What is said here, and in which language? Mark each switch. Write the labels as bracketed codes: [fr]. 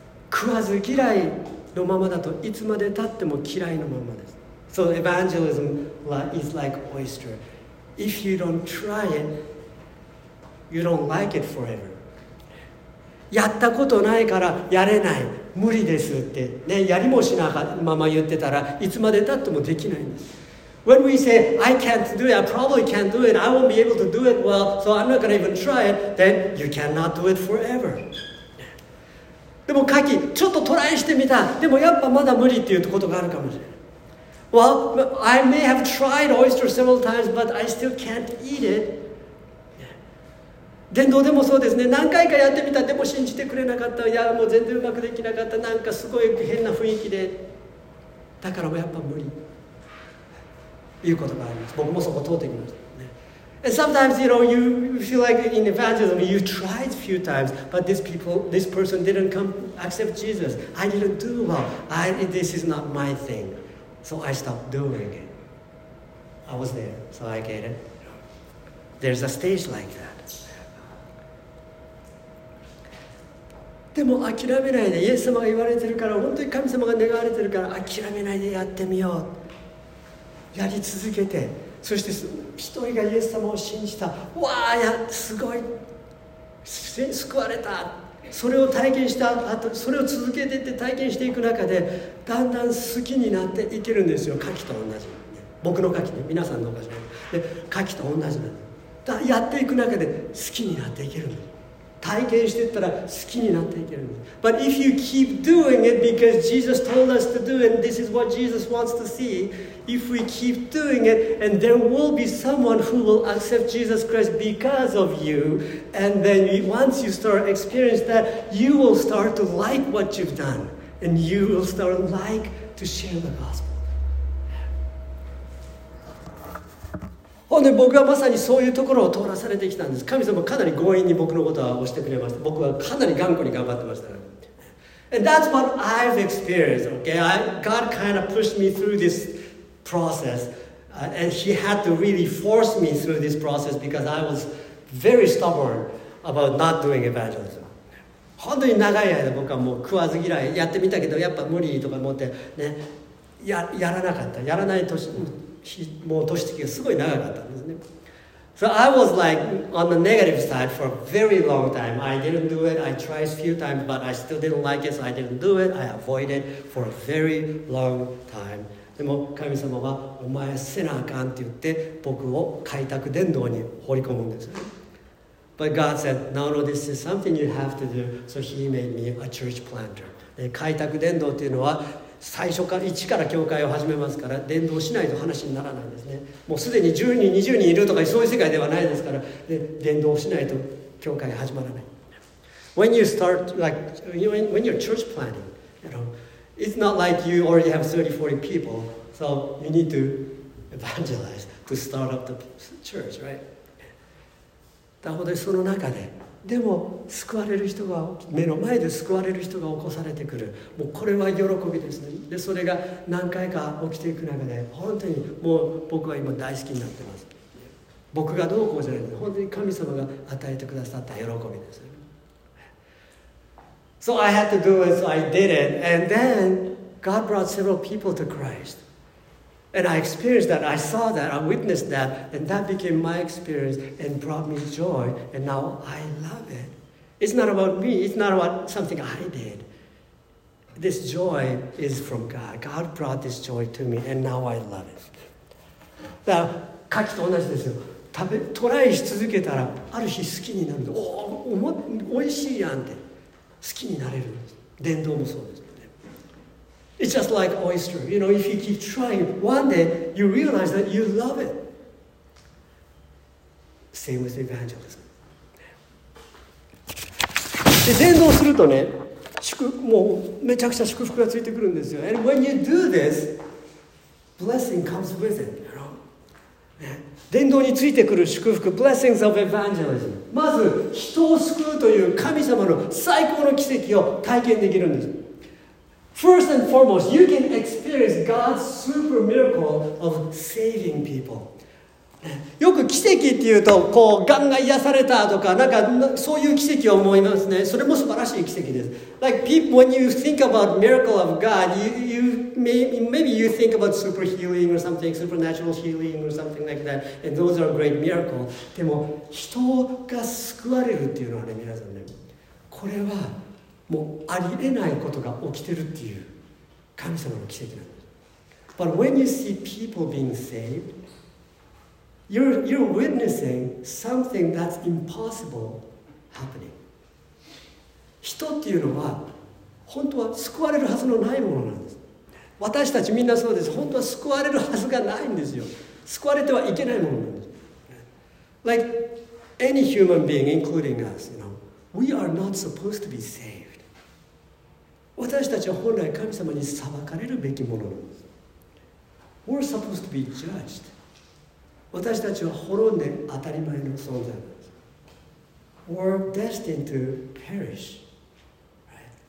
[ja] 食わず嫌いのままだといつまで経っても嫌いのままです。 [en] So evangelism is like oyster. If you don't try it, you don't like it forever. [ja] やったことないからやれない、無理ですって、ね、やりもしなまま言ってたらいつまでたってもできないんです。 [en] When we say, I can't do it, I probably can't do it, I won't be able to do it well, so I'm not gonna even try it, then you cannot do it forever. [ja] でもカキ、ちょっとトライしてみた。でもやっぱまだ無理っていうことがあるかもしれない。 [en] Well, I may have tried oyster several times, but I still can't eat it. [ja] 伝道でもそうですね。何回かやってみた。でも信じてくれなかった。いや、もう全然うまくできなかった。なんかすごい変な雰囲気で。だからもうやっぱ無理。いうことがあります。僕もそこ通ってきました。 [en] And sometimes, you know, you feel like in evangelism, you tried a few times, but this person didn't come accept Jesus. I didn't do well. This is not my thing. So I stopped doing it. I was there, so I get it. There's a stage like that. [ja] でも諦めないで、イエス様が言われてるから、本当に神様が願われてるから、諦めないでやってみよう。やり続けて。そして一人がイエス様を信じた。わあ、やすごい救われた。それを体験した後、それを続けていって体験していく中で、だんだん好きになっていけるんですよ。牡蠣と同じ。僕の牡蠣ね、皆さんのおかしい。で、牡蠣と同じなんだ。やっていく中で好きになっていけるの。体験していったら好きになっていけるんです。 [en] But if you keep doing it because Jesus told us to do it, and this is what Jesus wants to see, if we keep doing it, and there will be someone who will accept Jesus Christ because of you, and then once you start experience that, you will start to like what you've done, and you will start like to share the gospel. [ja] ほんで僕はまさにそういうところを通らされてきたんです。神様かなり強引に僕のことは押してくれました。僕はかなり頑固に頑張ってました。 [en] And that's what I've experienced, okay? God kind of pushed me through this process, and he had to really force me through this process because I was very stubborn about not doing evangelism. [ja] 本当に長い間僕はもう食わず嫌い、やってみたけどやっぱ無理とか思ってね、やらなかった。やらない年。もう年月がすごい長かったんですね。 [en] So I was like on the negative side for a very long time. I didn't do it. I tried a few times, but I still didn't like it, so I didn't do it. I avoided for a very long time. [ja] でも神様はお前せなあかんって言って僕を開拓伝道に放り込むんです。 [en] But God said, no, no, this is something you have to do. So he made me a church planter. [ja] 開拓伝道っていうのは最初から一から教会を始めますから伝道しないと話にならないんですね。もうすでに10人20人いるとかそういう世界ではないですから、で伝道しないと教会が始まらない。 [en] When you start like when you're church planning, you know, it's not like you already have 30-40 people, so you need to evangelize to start up the church, right? [ja] だほどその中ででも救われる人が目の前で救われる人が起こされてくる。もうこれは喜びですね。でそれが何回か起きていく中で本当にもう僕は今大好きになってます。僕がどうこうじゃないです。本当に神様が与えてくださった喜びです。 [en] So I had to do it, so I did it. And then God brought several people to Christ. And I experienced that, I saw that, I witnessed that, and that became my experience and brought me joy, and now I love it. It's not about me, it's not about something I did. This joy is from God. God brought this joy to me, and now I love it. [ja] だから、カキと同じですよ。トライし続けたら、ある日好きになるんです。おいしいやんって。好きになれるんです。伝道もそうです。 [en] It's just like oyster. You know, if you keep trying, one day you realize that you love it. Same with evangelism. [ja] で、伝道するとね、もうめちゃくちゃ祝福がついてくるんですよ。 [en] And when you do this, blessing comes with it, you know? [ja] 伝道についてくる祝福、 [en] blessings of evangelism. [ja] まず、人を救うという神様の最高の奇跡を体験できるんです。 [en] First and foremost, you can experience God's super miracle of saving people. [ja] よく奇跡っていうとこうがんが癒されたとかなんかそういう奇跡を思いますね。それも素晴らしい奇跡です。 [en] Like people, when you think about miracle of God, maybe you think about super healing or something, supernatural healing or something like that, and those are great miracles. [ja] でも人が救われるっていうのはね、皆さんね、これはもうありえないことが起きてるっていう神様の奇跡なんです。 [en] But when you see people being saved,You're witnessing something that's impossible happening. [ja] 人っていうのは本当は救われるはずのないものなんです。私たちみんなそうです。本当は救われるはずがないんですよ。救われてはいけないものなんです。 [en] Like any human being, including us, you know, we are not supposed to be saved. [ja] 私たちは本来神様に裁かれるべきものなんです。 [en] We're supposed to be judged. [ja] 私たちは滅んで当たり前の存在なんです。 [en] We're destined to perish.、Right?